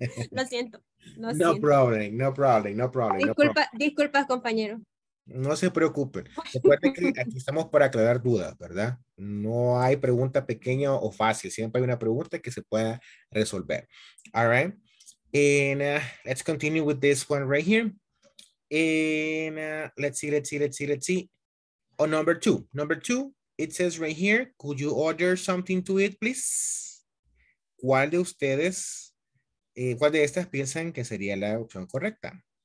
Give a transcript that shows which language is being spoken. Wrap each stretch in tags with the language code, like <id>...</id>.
<es>Lo siento.</es> <en>No problem.</en> <es>Disculpas, compañero. No se preocupen. Recuerden que aquí estamos para aclarar dudas, ¿verdad? No hay pregunta pequeña o fácil. Siempre hay una pregunta que se pueda resolver.</es> <en>All right. And let's continue with this one right here. And let's see. Oh, number two, it says right here, could you order something to eat, please?</en> <es>¿Cuál de ustedes, cuál de estas piensan que sería la opción correcta?</es>